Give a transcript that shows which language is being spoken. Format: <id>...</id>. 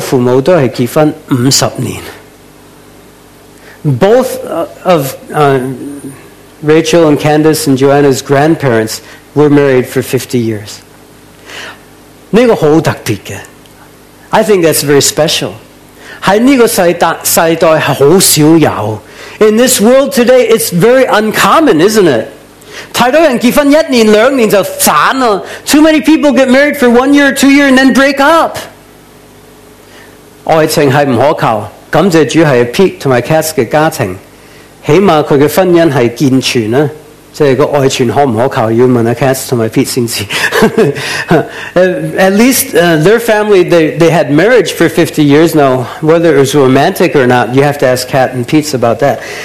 <zh>两个祖父母都是结婚50年。</zh> <en>Both of Rachel and Candace and Joanna's grandparents were married for 50 years.</en> <zh>这个很特别的。</zh> <en>I think that's very special.</en> <zh>在这个世代是很少有。</zh> <en>In this world today, it's very uncommon, isn't it?</en> <zh>太多人结婚一年两年就散了。</zh> <en>Too many people get married for 1 year or 2 year and then break up.</en> <zh>爱情是不可靠。感谢主是Pete和Kat的家庭。起码他的婚姻是健全的。即是爱全可不可靠? 要问Kat和Pete才知道。</zh> <en>At least their family, they had marriage for 50 years now. Whether it was romantic or not, you have to ask Kat and Pete about that.</en>